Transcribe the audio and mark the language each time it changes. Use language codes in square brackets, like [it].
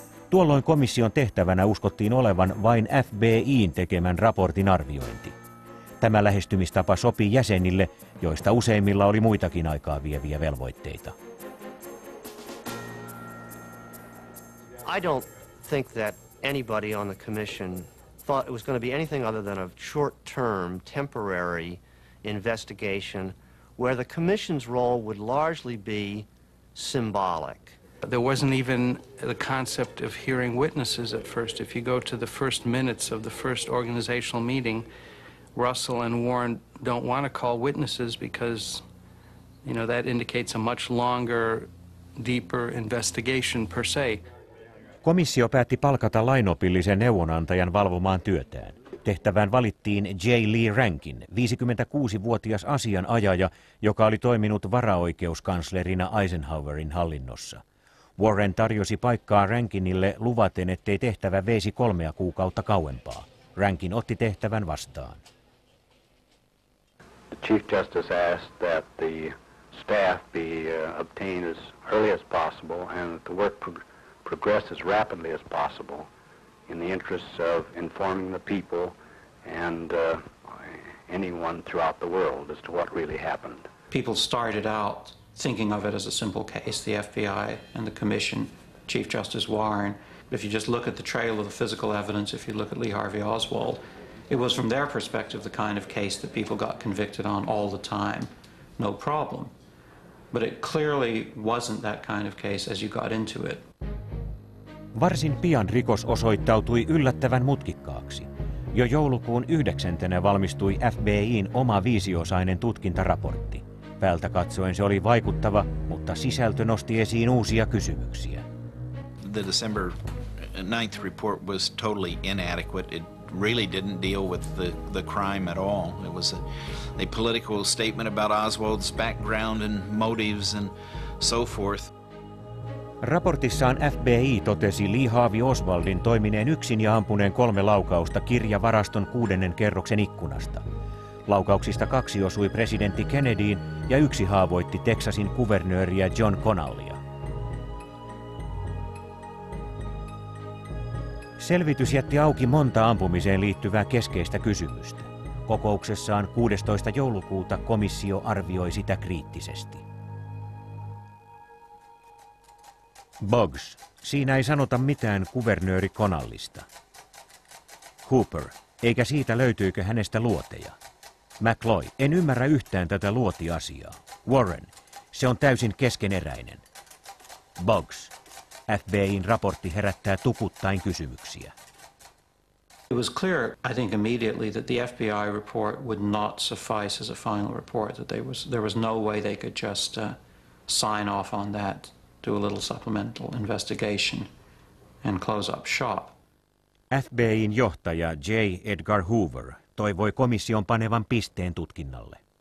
[fi] Tuolloin komission tehtävänä uskottiin olevan vain FBI:n tekemän raportin arviointi. Tämä lähestymistapa sopi jäsenille, joista useimmilla oli muitakin aikaa vieviä velvoitteita. [en] I don't think that anybody on the commission thought it was going to be anything other than a short-term, temporary investigation where the commission's role would largely be symbolic. There wasn't even the concept of hearing witnesses at first. If you go to the first minutes of the first organizational meeting, Russell and Warren don't want to call witnesses because, you know, that indicates a much longer, deeper investigation per se. [fi] Komissio päätti palkata lainopillisen neuvonantajan valvomaan työtään. Tehtävään valittiin J. Lee Rankin, 56-vuotias asianajaja, joka oli toiminut varaoikeuskanslerina Eisenhowerin hallinnossa. Warren tarjosi paikkaa Rankinille luvaten, ettei tehtävä veisi 3 kuukautta kauempaa. Rankin otti tehtävän vastaan. [en] The Chief Justice asked that the staff be obtained as early as possible and that the work progress as rapidly as possible. In the interests of informing the people and anyone throughout the world as to what really happened. People started out thinking of it as a simple case, the FBI and the commission, Chief Justice Warren. But if you just look at the trail of the physical evidence, if you look at Lee Harvey Oswald, it was from their perspective the kind of case that people got convicted on all the time, no problem. But it clearly wasn't that kind of case as you got into it. [fi] Varsin pian rikos osoittautui yllättävän mutkikkaaksi. Jo joulukuun 9. valmistui FBI:n oma 5-osainen tutkintaraportti. Päältä katsoen se oli vaikuttava, mutta sisältö nosti esiin uusia kysymyksiä. [en] The December 9th report was totally inadequate. It really didn't deal with the crime at all. It was a political statement about Oswald's background and motives and so forth. [fi] Raportissaan FBI totesi Lee Harvey Oswaldin toimineen yksin ja ampuneen 3 laukausta kirjavaraston 6. kerroksen ikkunasta. Laukauksista 2 osui presidentti Kennedyin ja 1 haavoitti Texasin kuvernööriä John Connallia. Selvitys jätti auki monta ampumiseen liittyvää keskeistä kysymystä. Kokouksessaan 16. joulukuuta komissio arvioi sitä kriittisesti. Boggs. Siinä ei sanota mitään kuvernööri Connallista. Cooper. Eikä siitä löytyykö hänestä luoteja. McCloy. En ymmärrä yhtään tätä luotiasiaa. Warren. Se on täysin keskeneräinen. Boggs. FBI:n raportti herättää tukuttain kysymyksiä. [en] It was clear, I think, immediately that the FBI report would not suffice as a final report, that there was no way they could just sign off on that, do a little supplemental investigation and close up shop. [fi] FBI:n johtaja J. Edgar Hoover toivoi komission panevan pisteen tutkinnalle.